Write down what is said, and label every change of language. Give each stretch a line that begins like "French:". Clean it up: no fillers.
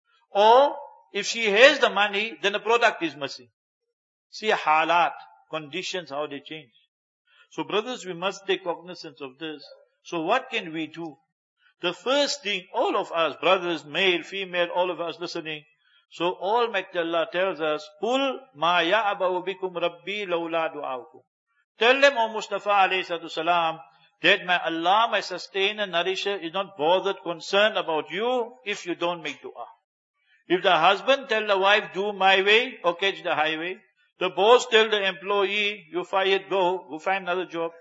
English: Or if she has the money, then the product is missing. See, halat, conditions, how they change. So brothers, we must take cognizance of this. So what can we do? The first thing, all of us, brothers, male, female, all of us listening. So Almighty Allah tells us,
Arabic: قُلْ مَا يَعْبَوْ بِكُمْ رَبِّي لَوْلَا دُعَاكُمْ.
English: Tell them, O Mustafa alayhi salatu salam, that my Allah, my sustainer, nourisher, is not bothered, concerned about you if you don't make dua. If the husband tell the wife, do my way or catch the highway, the boss tell the employee, you fired, go, go find another job.